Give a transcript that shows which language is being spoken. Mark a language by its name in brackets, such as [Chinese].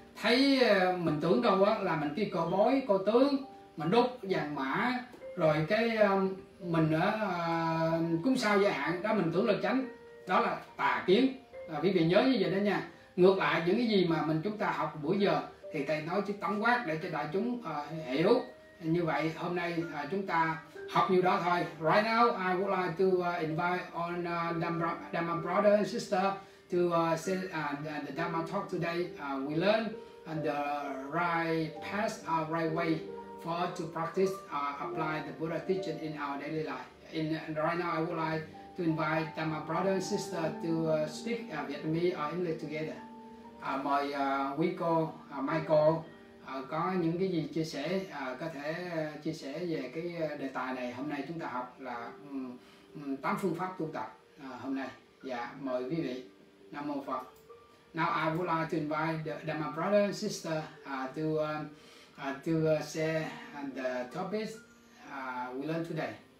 [Vietnamese] Thấy mình tưởng đâu á, là mình kia cờ bói, cờ tướng, mình đốt vàng mã, rồi cái mình cúng sao giới hạn, đó mình tưởng là chánh, đó là tà kiến. Quý vị nhớ như vậy đó nha. Ngược lại những cái gì mà mình chúng ta học buổi giờ, thì thầy nói chứ tổng quát để cho đại chúng hiểu. Như vậy hôm nay chúng ta học nhiều đó thôi. [English] Right now I would like to invite on Dhamma brother and sister to say the Dhamma talk today. We learn the right path, right way for to practice, apply the Buddha teaching in our daily life. And right now I would like to invite Dhamma brother and sister to speak Vietnamese or English together. [Vietnamese] Mời quý cô, Michael có những cái gì chia sẻ, có thể chia sẻ về cái đề tài này hôm nay chúng ta học là 8 phương pháp tu tập hôm nay. Dạ, mời quý vị. Nam Mô Phật. [English] Now I would like to invite the my brother and sister to share the topics we learn today.